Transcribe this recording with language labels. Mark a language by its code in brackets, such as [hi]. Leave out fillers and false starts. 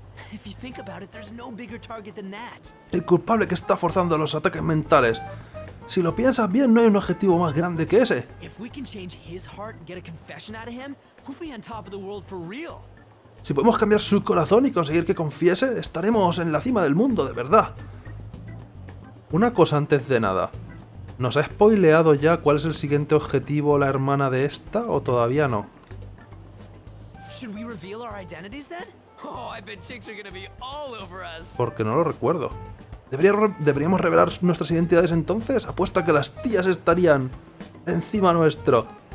[en] If you think about it, there's no bigger target than that. [es] El culpable que está forzando los ataques mentales. Si lo piensas bien, no hay un objetivo más grande que ese. [en] If we can change his heart and get a confession out of him, we'll be on top of the world for real. [es] Si podemos cambiar su corazón y conseguir que confiese, estaremos en la cima del mundo, de verdad. Una cosa antes de nada. ¿Nos ha spoileado ya cuál es el siguiente objetivo la hermana de esta o todavía no? [en] Should we reveal our identities then? Oh, I bet chicks are gonna be all over us. [es] Porque no lo recuerdo. ¿Deberíamos revelar nuestras identidades entonces? Apuesto a que las tías estarían encima nuestro.